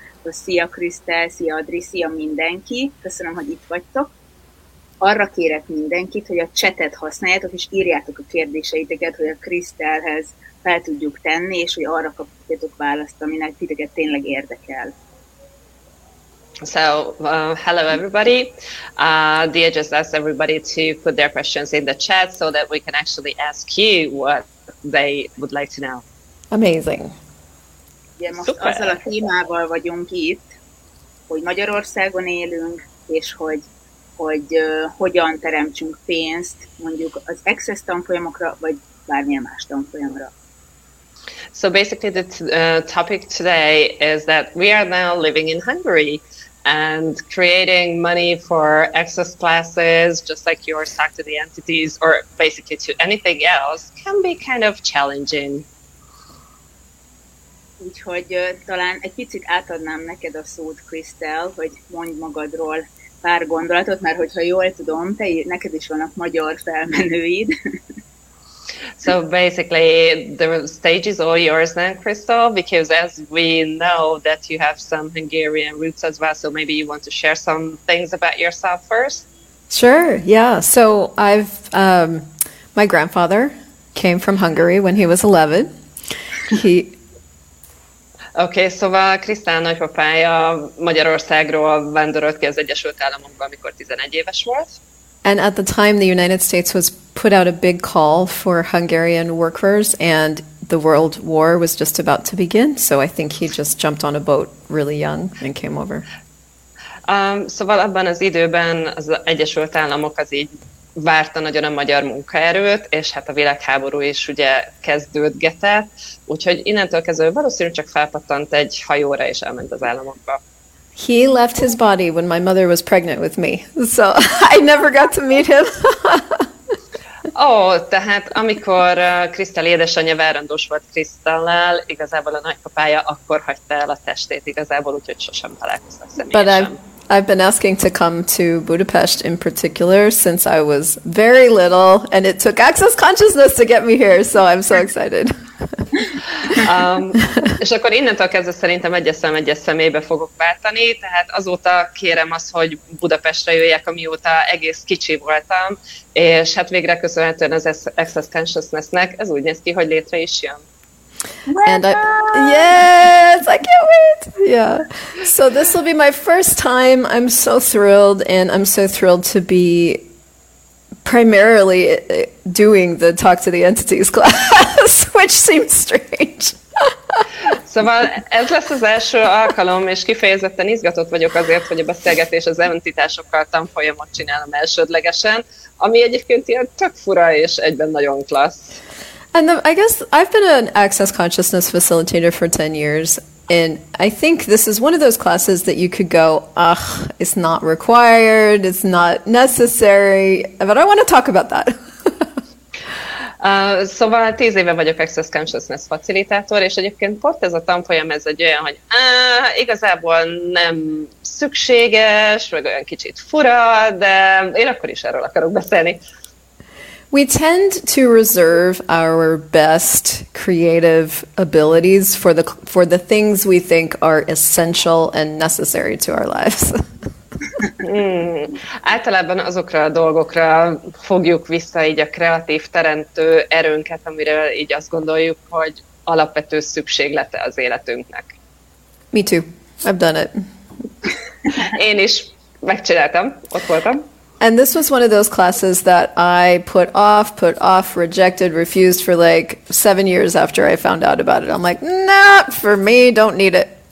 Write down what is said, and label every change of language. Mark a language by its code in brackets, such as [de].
[hu] Szia Krista, szia Adri, szia mindenki. Köszönöm, hogy itt vagytok. Arra kérek mindenkit, hogy a chatet használjátok, és írjátok a kérdéseiteket, hogy a Krisztelhez fel tudjuk tenni, és hogy arra kapjátok választ, aminek titeket tényleg érdekel. [en] So, hello everybody. Dia just asked everybody to put their questions in the chat so that we can actually ask you what they would like to know. Amazing. [hu] Ugye most Super. Azzal a témával vagyunk itt, hogy Magyarországon élünk, és hogy hogyan teremtsünk pénzt mondjuk az Access tanfolyamokra, vagy bármilyen más tanfolyamra. [en] So basically the topic today is that we are now living in Hungary and creating money for access classes, just like your stock to the entities or basically to anything else, can be kind of challenging. [hu] Úgyhogy talán egy picit átadnám neked a szót, Krisztel, hogy mondj magadról pár gondolatot, mert hogyha jól tudom, neked is vannak magyar felmenőid. [en] So basically, the stage is all yours then, Crystal, because as we know that you have some Hungarian roots as well, so maybe you want to share some things about yourself first? Sure, yeah. So I've my grandfather came from Hungary when he was 11. [hu] Okay, szóval Krisztán nagypapája Magyarországról vándorolt ki az Egyesült Államokba, amikor 11 éves volt. [en] And at the time, the United States was put out a big call for Hungarian workers, and the World War was just about to begin. So I think he just jumped on a boat really young and came over. [hu] Szóval abban az időben az Egyesült Államok az így várta nagyon a magyar munkaerőt, és hát a világháború is ugye kezdődgetett. Úgyhogy innentől kezdve valószínűleg csak felpattant egy hajóra és elment az államokba. [en] He left his body when my mother was pregnant with me, so I never got to meet him. [hu] Oh, tehát amikor Krisztel édesanyja várandós volt Krisztellel, igazából a nagypapája akkor hagyta el a testét, igazából úgyhogy sosem találkoztak személyesen. [en] But I've been asking to come to Budapest in particular since I was very little, and it took access consciousness to get me here, so I'm so excited. [hu] És akkor innentől kezdve szerintem egyes személybe fogok váltani, tehát azóta kérem azt, hogy Budapestre jöjjek, amióta egész kicsi voltam, és hát végre köszönhetően az Access Consciousness-nek ez úgy néz ki, hogy létre is jön. [en] And yes, I can't wait. Yeah. So this will be my first time. I'm so thrilled, and I'm so thrilled to be primarily doing the Talk to the Entities class, which seems strange. [hu] Szóval ez lesz az első alkalom, és kifejezetten izgatott vagyok azért, hogy a beszélgetés az entitásokkal tanfolyamot csinálom elsődlegesen, ami egyébként ilyen tök fura és egyben nagyon klassz. [en] And I guess I've been an Access Consciousness facilitator for 10 years, and I think this is one of those classes that you could go, ugh, it's not required, it's not necessary, but I want to talk about that. [hu] Szóval 10 éve vagyok Access Consciousness facilitátor, és egyébként pont ez a tanfolyam, ez egy olyan, hogy igazából nem szükséges, meg olyan kicsit fura, de én akkor is erről akarok beszélni. [en] We tend to reserve our best creative abilities for the things we think are essential and necessary to our lives. [hu] Általában azokra a dolgokra fogjuk vissza így a kreatív teremtő erőnket, amiről így azt gondoljuk, hogy alapvető szükséglete az életünknek. [en] Me too. I've done it. [hu] Én is megcsináltam, ott voltam. [en] And this was one of those classes that I put off, rejected, refused for like 7 years after I found out about it. I'm like, nah, for me, don't need it.